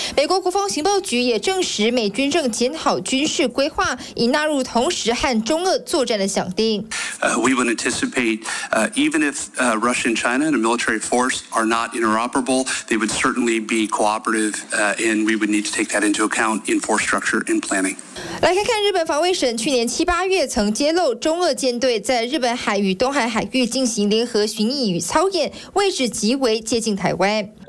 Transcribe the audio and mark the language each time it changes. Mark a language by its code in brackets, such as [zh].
[zh] 美国国防情报局也证实，美军正检讨军事规划，以纳入同时和中俄作战的响定。 [en] We would anticipate, even if Russia and China and a military force are not interoperable, they would certainly be cooperative, and we would need to take that into account in force structure and planning. [zh] 来看看日本防卫省去年7、8月曾揭露中俄舰队在日本海与东海海域进行联合巡弋与操演，位置极为接近台湾。